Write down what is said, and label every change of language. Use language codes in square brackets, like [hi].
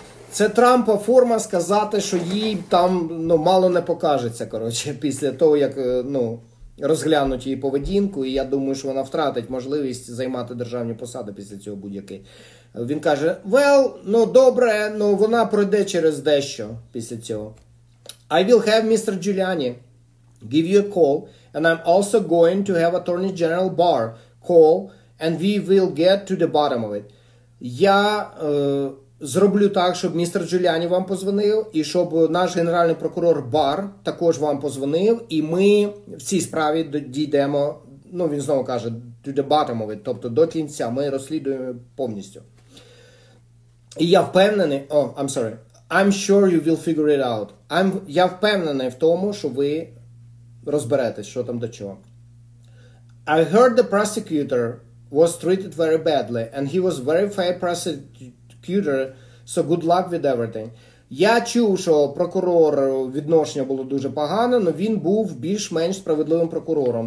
[uk] Це Трампа форма сказати, що їй там, ну, мало не покажеться, коротше, після того, як, ну, розглянуть її поведінку, і я думаю, що вона втратить можливість займати державні посади після цього будь-які. Він каже, well, ну добре, ну вона пройде через дещо після цього. [en] I will have Mr. Giuliani give you a call, and I'm also going to have Attorney General Barr call, and we will get to the bottom of it. [uk] Я зроблю так, щоб містер Джуліані вам позвонив, і щоб наш генеральний прокурор Барр також вам позвонив, і ми в цій справі дійдемо, ну він знову каже, [en] to the bottom of it, [uk] тобто до кінця, ми розслідуємо повністю. І я впевнений, [en] I'm sure you will figure it out. [uk] Я впевнений в тому, що ви розберетесь, що там до чого. [en] I heard the prosecutor was treated very badly, and he was very fair prosecutor, so good luck with everything. [uk] Я чув, що прокурор відношення було дуже погане, але він був більш-менш справедливим прокурором.